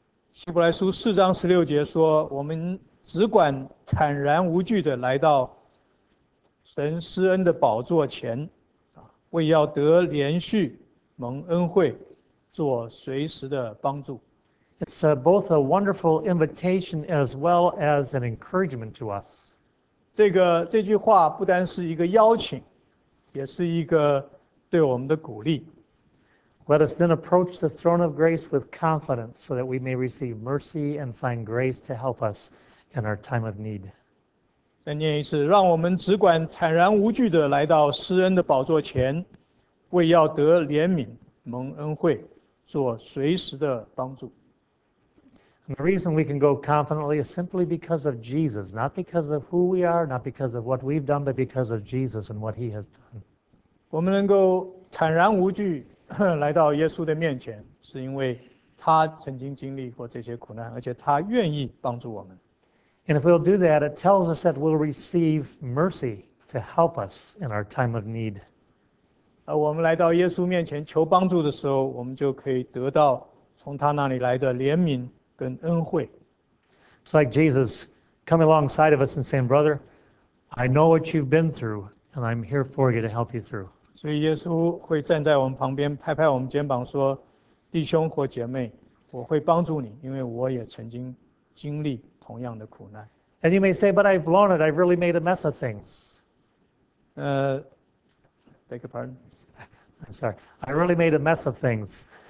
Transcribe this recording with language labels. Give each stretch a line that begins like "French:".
Chinese: 希伯来书四章十六节说，我们只管坦然无惧地来到神施恩的宝座前，为要得连续蒙恩惠，做随时的帮助。
English: It's both a wonderful invitation as well as an encouragement to us.
Chinese: 这句话不单是一个邀请，也是一个对我们的鼓励。
English: Let us then approach the throne of grace with confidence so that we may receive mercy and find grace to help us in our time of need.
Chinese: 再念一次，让我们只管坦然无惧地来到施恩的宝座前，为要得怜悯，蒙恩惠，做随时的帮助。
English: And the reason we can go confidently is simply because of Jesus, not because of who we are, not because of what we've done, but because of Jesus and what he has done.
Chinese: 我们能够坦然无惧来到耶稣的面前，是因为他曾经经历过这些苦难，而且他愿意帮助我们。
English: And if we'll do that, it tells us that we'll receive mercy to help us in our time of need.
Chinese: 我们来到耶稣面前求帮助的时候，我们就可以得到从他那里来的怜悯跟恩惠。
English: It's like Jesus coming alongside of us and saying, Brother, I know what you've been through, and I'm here for you to help you through.
Chinese: 所以耶稣会站在我们旁边，拍拍我们肩膀说，弟兄或姐妹，我会帮助你，因为我也曾经经历同样的苦难。
English: And you may say, but I've blown it, I've really made a mess of things. Beg your pardon? I'm sorry, I really made a mess of things.